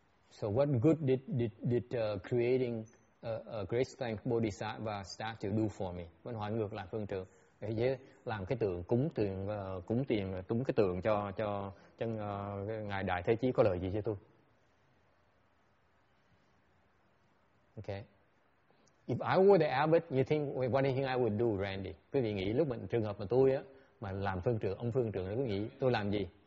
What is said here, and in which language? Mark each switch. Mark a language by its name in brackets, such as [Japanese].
[English] So what good did creating a great strength bodhisattva statue do for me? [Vietnamese] Vẫn hỏi ngược lại phương trưởng. Để làm cái tượng cúng tiền túng cái tượng cho ngài Đại Thế Chí có lời gì cho tôi? [English] Okay. If I were the abbot, you think what do you think I would do, Randy? [Vietnamese] Quý vị nghĩ lúc mình trường hợp mà tôi á mà làm phương trưởng, ông phương trưởng cứ nghĩ tôi làm gì?